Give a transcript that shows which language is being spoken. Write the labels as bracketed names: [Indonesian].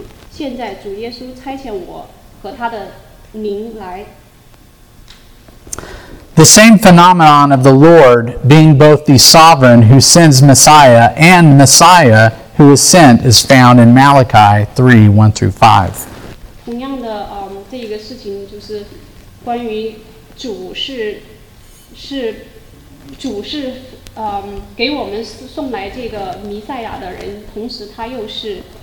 [Chinese] 现在主耶稣差遣我和他的灵来。 [English] The same phenomenon of the Lord being both the sovereign who sends Messiah and Messiah who is sent is found in Malachi 3:1-5. [Chinese] 同样的这一个事情就是关于主是主是给我们送来这个弥赛亚的人，同时他又是。